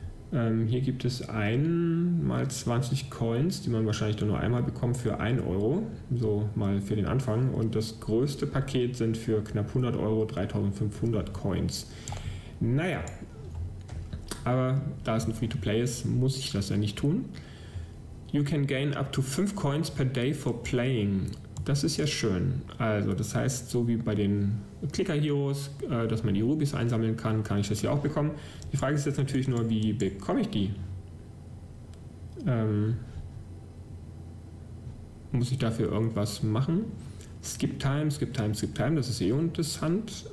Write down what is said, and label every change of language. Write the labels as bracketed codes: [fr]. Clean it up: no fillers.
[de] Hier gibt es 1x20 Coins, die man wahrscheinlich nur einmal bekommt für 1 Euro, so mal für den Anfang. Und das größte Paket sind für knapp 100 Euro 3500 Coins. Naja, aber da es ein Free-to-Play ist, muss ich das ja nicht tun. [en] You can gain up to 5 Coins per day for playing. [de] Das ist ja schön. Also das heißt, so wie bei den Clicker-Heroes, dass man die Rubies einsammeln kann, kann ich das hier auch bekommen. Die Frage ist jetzt natürlich nur, wie bekomme ich die? Muss ich dafür irgendwas machen? Skip time, das ist eh interessant.